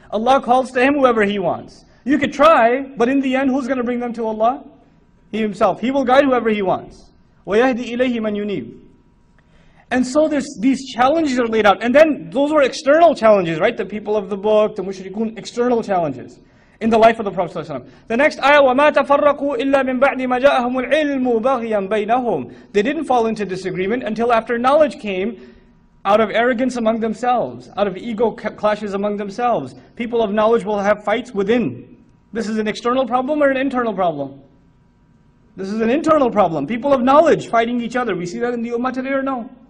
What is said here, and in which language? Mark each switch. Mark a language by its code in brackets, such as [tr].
[en] Allah calls to him whoever he wants. You could try, but in the end, who's going to bring them to Allah? He himself. He will guide whoever he wants. [ar] وَيَهْدِي إِلَيْهِ مَنْ يُنِيبُ. [en] And so these challenges are laid out. And then those were external challenges, right? The people of the book, the mushrikun, external challenges in the life of the Prophet ﷺ. The next ayah, [ar] وَمَا تَفَرَّقُوا إِلَّا مِنْ بَعْدِ مَا جَاءَهُمُ الْعِلْمُ بَغْيًا بَيْنَهُمْ. [en] They didn't fall into disagreement until after knowledge came out of arrogance among themselves, out of ego clashes among themselves. People of knowledge will have fights within. This is an external problem or an internal problem? This is an internal problem. People of knowledge fighting each other. We see that in the ummah today or no?